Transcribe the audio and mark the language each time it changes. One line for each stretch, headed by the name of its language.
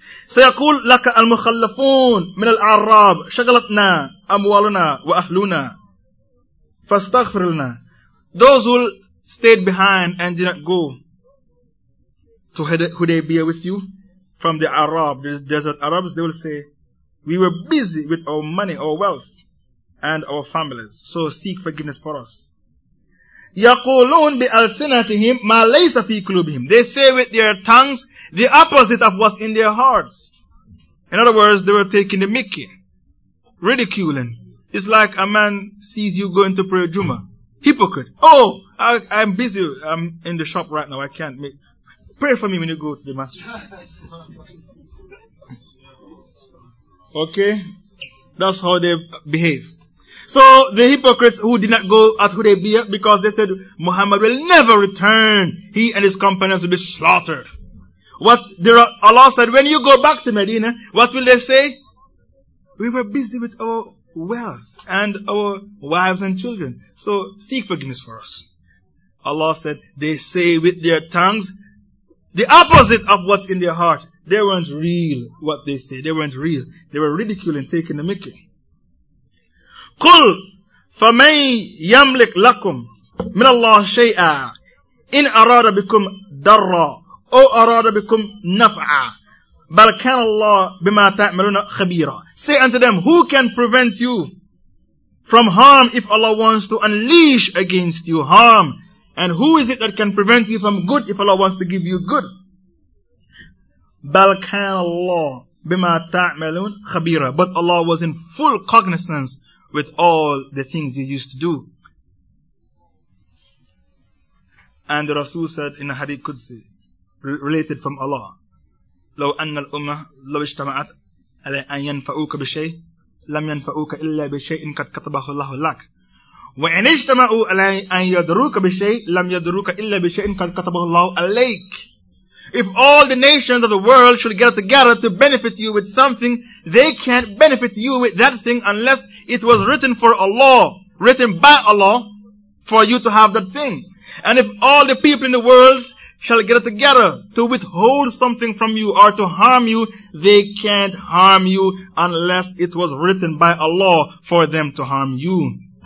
Arabic: سيقول لك المخلفون من العرب شغلتنا أموالنا وأهلنا فاستغفر لنا.
English: Those who stayed behind and did not go to Hudaybiyah with you from the Arab, the desert Arabs, they will say, we were busy with our money, our wealth, and our families. So seek forgiveness for us.
Arabic: يقولون بألسنتهم ما ليس في قلوبهم.
English: They say with their tongues the opposite of what's in their hearts. In other words, they were taking the mickey, ridiculing. It's like a man sees you going to pray Juma. Hypocrite. Oh, I'm busy. I'm in the shop right now. I can't make... Pray for me when you go to the masjid. Okay? That's how they behave. So, the hypocrites who did not go at Hudaybiyah because they said, Muhammad will never return. He and his companions will be slaughtered. What there are, Allah said, when you go back to Medina, what will they say? We were busy with our wealth and our wives and children. So seek forgiveness for us. Allah said, they say with their tongues the opposite of what's in their heart. They weren't real what they say. They weren't real. They were ridiculing, taking the mickey.
Arabic: قُلْ فَمَنْ يَمْلِكْ لَكُمْ مِنَ اللَّهِ شَيْئًا إِنْ أَرَادَ بِكُمْ دَرًّا أو أراد بكم نفعا بل كان الله بما تعملون خبيرا.
English: Say unto them, who can prevent you from harm if Allah wants to unleash against you harm? And who is it that can prevent you from good if Allah wants to give you good?
Arabic: بل كان الله بما تعملون خبيرا.
English: But Allah was in full cognizance with all the things you used to do. And the Rasul said in a hadith Qudsi, related from Allah,
Arabic: لو أن الأمة لو اجتمعت على أن ينفعوك بشيء لم ينفعوك إلا بشيء قد كتبه الله لك وإن اجتمعوا على أن يدروك بشيء لم يدروك إلا بشيء قد كتبه الله عليك.
English: If all the nations of the world should get together to benefit you with something, they can't benefit you with that thing unless it was written for Allah, written by Allah, for you to have that thing. And if all the people in the world shall get together to withhold something from you or to harm you, they can't harm you unless it was written by Allah for them to harm you.